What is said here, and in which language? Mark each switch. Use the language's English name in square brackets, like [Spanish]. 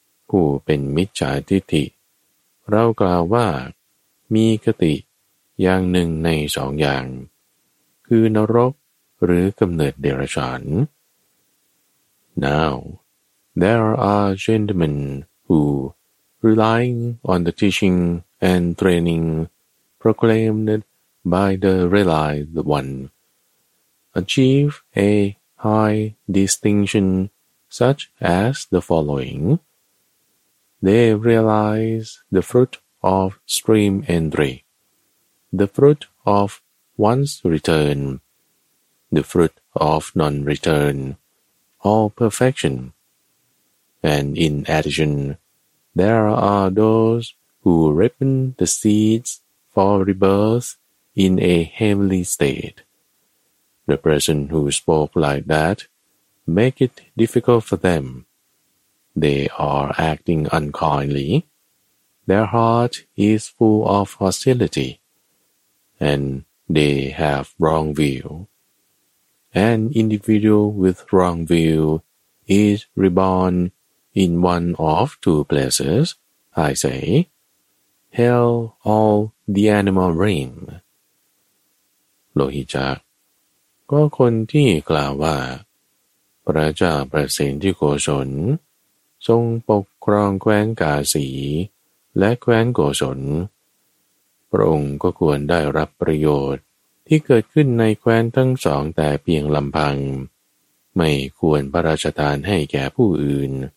[Thai] ผู้เป็นมิจฉาทิฏฐิเรากล่าวว่ามีคติอย่างหนึ่งในสองอย่างคือนรกหรือกำเนิดเดรัจฉาน [English] NowThere are gentlemen who, relying on the teaching and training proclaimed by the Realized One, achieve a high distinction such as the following. They realize the fruit of stream entry, the fruit of one's return, the fruit of non-return, or perfection. And in addition, there are those who ripen the seeds for rebirth in a heavenly state. The person who spoke like that make it difficult for them. They are acting unkindly. Their heart is full of hostility, and they have wrong view. An individual with wrong view is reborn in one of two places, I say, hell or the animal realm. [Thai] Lohicca, ก็คนที่กล่าวว่าพระเจ้าประสิทธิโกศลทรงปกครองแคว้นกาสีและแคว้นโกศลพระองค์ก็ควรได้รับประโยชน์ที่เกิดขึ้นในแคว้นทั้งสองแต่เพียงลำพังไม่ควรพระราชทานให้แก่ผู้อื่น